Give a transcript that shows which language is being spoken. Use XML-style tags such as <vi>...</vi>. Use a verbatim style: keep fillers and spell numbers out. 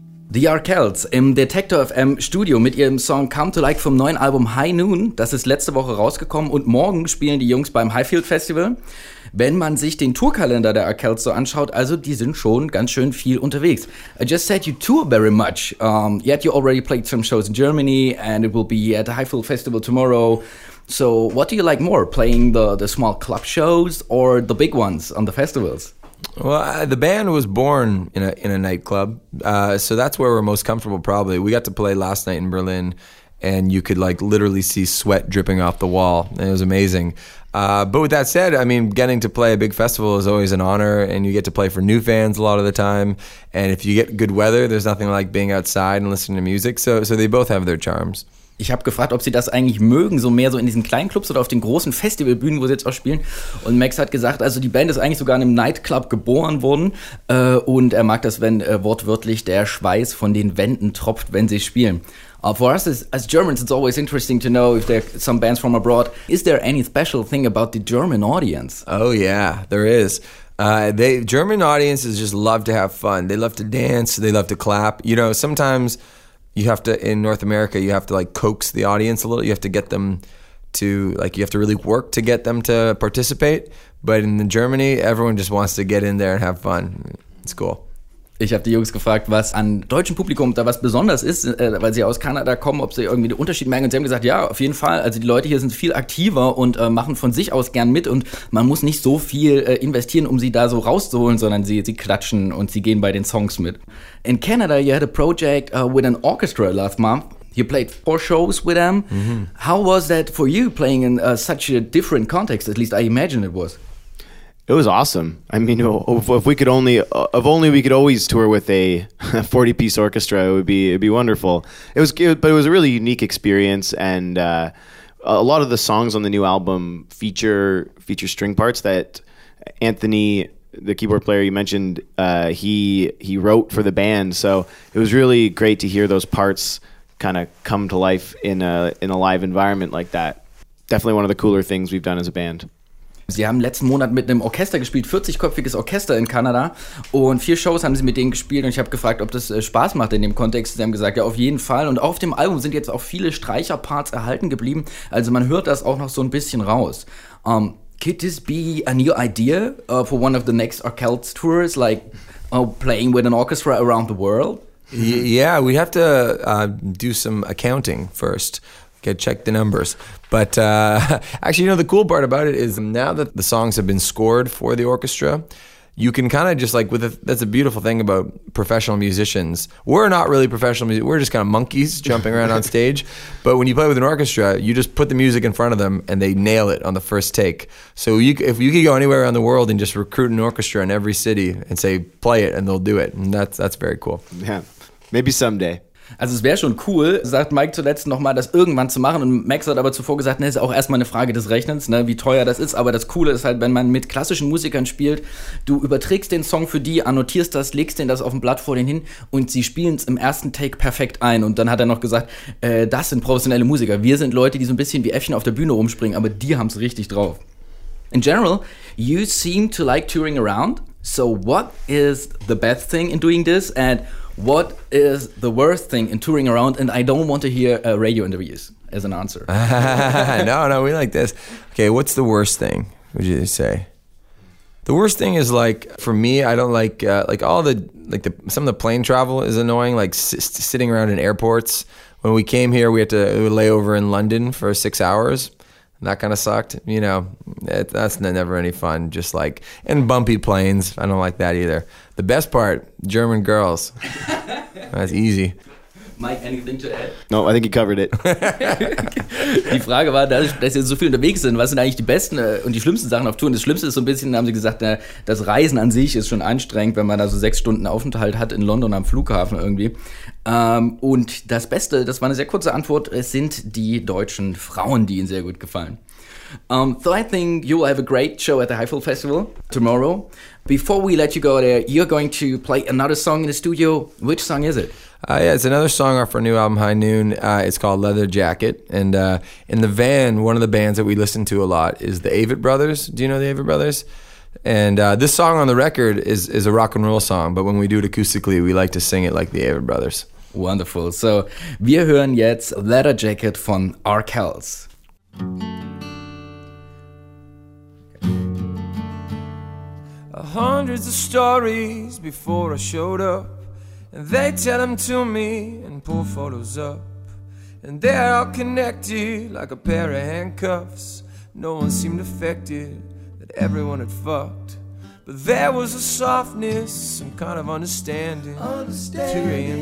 <de>The Arkells im Detektor F M Studio mit ihrem Song Come to Like vom neuen Album High Noon. Das ist letzte Woche rausgekommen und morgen spielen die Jungs beim Highfield Festival. Wenn man sich den Tourkalender der Arkells so anschaut, also die sind schon ganz schön viel unterwegs.</de> <en>I just said you tour very much, um, yet you already played some shows in Germany and it will be at the Highfield Festival tomorrow. So what do you like more, playing the, the small club shows or the big ones on the festivals? Well, I, the band was born in a in a nightclub, uh, so that's where we're most comfortable probably. We got to play last night in Berlin, and you could like literally see sweat dripping off the wall, and it was amazing. Uh, but with that said, I mean, getting to play a big festival is always an honor, and you get to play for new fans a lot of the time. And if you get good weather, there's nothing like being outside and listening to music. So, so they both have their charms.</en> <de>Ich habe gefragt, ob sie das eigentlich mögen, so mehr so in diesen kleinen Clubs oder auf den großen Festivalbühnen, wo sie jetzt auch spielen. Und Max hat gesagt, also die Band ist eigentlich sogar in einem Nightclub geboren worden. Äh, und er mag das, wenn äh, wortwörtlich der Schweiß von den Wänden tropft, wenn sie spielen.</de> <en>Uh, for us as, as Germans, it's always interesting to know if there are some bands from abroad. Is there any special thing about the German audience? Oh, yeah, there is. Uh, they German audiences just love to have fun. They love to dance. They love to clap. You know, sometimes you have to, in North America, you have to like coax the audience a little. You have to get them to, like, you have to really work to get them to participate. But in Germany, everyone just wants to get in there and have fun. It's cool.</en> <de>Ich habe die Jungs gefragt, was an deutschem Publikum da was besonders ist, äh, weil sie aus Kanada kommen, ob sie irgendwie den Unterschied merken. Und sie haben gesagt, ja, auf jeden Fall. Also die Leute hier sind viel aktiver und äh, machen von sich aus gern mit. Und man muss nicht so viel äh, investieren, um sie da so rauszuholen, sondern sie, sie klatschen und sie gehen bei den Songs mit.</de> <en>In Canada, you had a project uh, with an orchestra last month. You played four shows with them. Mm-hmm. How was that for you, playing in uh, such a different context? At least I imagine it was. It was awesome. I mean, if, if we could only, if only we could always tour with a forty-piece orchestra, it would be, it'd be wonderful. It was, it, but it was a really unique experience, and uh, a lot of the songs on the new album feature feature string parts that Anthony, the keyboard player you mentioned, uh, he he wrote for the band. So it was really great to hear those parts kind of come to life in a in a live environment like that. Definitely one of the cooler things we've done as a band.</en> <de>Sie haben letzten Monat mit einem Orchester gespielt, vierzigköpfiges Orchester in Kanada, und vier Shows haben sie mit denen gespielt, und ich habe gefragt, ob das Spaß macht in dem Kontext. Sie haben gesagt, ja, auf jeden Fall, und auf dem Album sind jetzt auch viele Streicherparts erhalten geblieben, also man hört das auch noch so ein bisschen raus.</de> <en>Um, could this be a new idea uh, for one of the next Arkelts tours, like uh, playing with an orchestra around the world? Yeah, we have to uh, do some accounting first. Okay, check the numbers. But uh, actually, you know, the cool part about it is now that the songs have been scored for the orchestra, you can kind of just like, with a, that's a beautiful thing about professional musicians. We're not really professional musicians. We're just kind of monkeys jumping around on stage. But when you play with an orchestra, you just put the music in front of them and they nail it on the first take. So you, if you could go anywhere around the world and just recruit an orchestra in every city and say, play it, and they'll do it. And that's, that's very cool. Yeah, maybe someday.</en> <de>Also es wäre schon cool, sagt Mike zuletzt nochmal, das irgendwann zu machen, und Max hat aber zuvor gesagt, ne, ist auch erstmal eine Frage des Rechnens, ne, wie teuer das ist, aber das Coole ist halt, wenn man mit klassischen Musikern spielt, du überträgst den Song für die, annotierst das, legst denen das auf ein Blatt vor denen hin und sie spielen es im ersten Take perfekt ein, und dann hat er noch gesagt, äh, das sind professionelle Musiker, wir sind Leute, die so ein bisschen wie Äffchen auf der Bühne rumspringen, aber die haben es richtig drauf.</de> <en>In general, you seem to like touring around, so what is the best thing in doing this, and what is the worst thing in touring around? And I don't want to hear uh, radio interviews as an answer. no, no, we like this. Okay, what's the worst thing, would you say? The worst thing is, like, for me, I don't like, uh, like, all the, like, the some of the plane travel is annoying, like, s- sitting around in airports. When we came here, we had to lay over in London for six hours. That kind of sucked, you know, it, that's never any fun, just like, and bumpy planes, I don't like that either. The best part, German girls, that's easy. Mike, anything to add? No, I think you covered it.</en> <de>Die Frage war, dass, dass sie so viel unterwegs sind, was sind eigentlich die besten und die schlimmsten Sachen auf Touren? Das Schlimmste ist so ein bisschen, haben sie gesagt, na, das Reisen an sich ist schon anstrengend, wenn man da so sechs Stunden Aufenthalt hat in London am Flughafen irgendwie. Ähm, und das Beste, das war eine sehr kurze Antwort, es sind die deutschen Frauen, die ihnen sehr gut gefallen.</de> <en>Um, so I think you'll have a great show at the Highfield Festival tomorrow. Before we let you go there, you're going to play another song in the studio. Which song is it? Uh, yeah, it's another song off our new album, High Noon. Uh, it's called Leather Jacket. And uh, in the van, one of the bands that we listen to a lot is the Avett Brothers. Do you know the Avett Brothers? And uh, this song on the record is, is a rock and roll song, but when we do it acoustically, we like to sing it like the Avett Brothers. Wonderful.</en> <de>So wir hören jetzt Leather Jacket von Arkelts.</de> <en>Hundreds of stories before I showed up, and they tell them to me and pull photos up, and they're all connected like a pair of handcuffs. No one seemed affected that everyone had fucked, but there was a softness, some kind of understanding, understanding. two a.m.</en>